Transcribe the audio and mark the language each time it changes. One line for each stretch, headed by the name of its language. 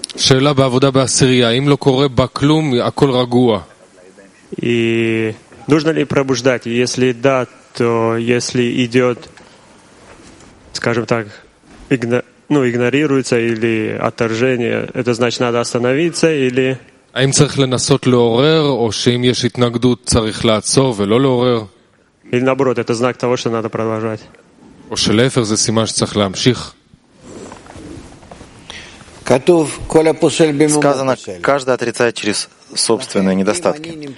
Hebrew: Шейла бавуда басирия. Им ло коре баклум, акол рагуа.
Russian: И нужно ли пробуждать? Если да, то если идет, скажем так, игнорируется или отторжение, это значит, надо остановиться или...
Hebrew: האם צריך לנסות לעורר, או שאם יש התנגדות צריך לעצור ולא לעורר?
Russian: Или наоборот, это знак того, что надо продолжать.
Hebrew: או שלהפך, זה סימן שצריך להמשיך. כתוב, כל הפוסל במומו פוסל.
Russian: Сказано, каждый отрицает через собственные недостатки.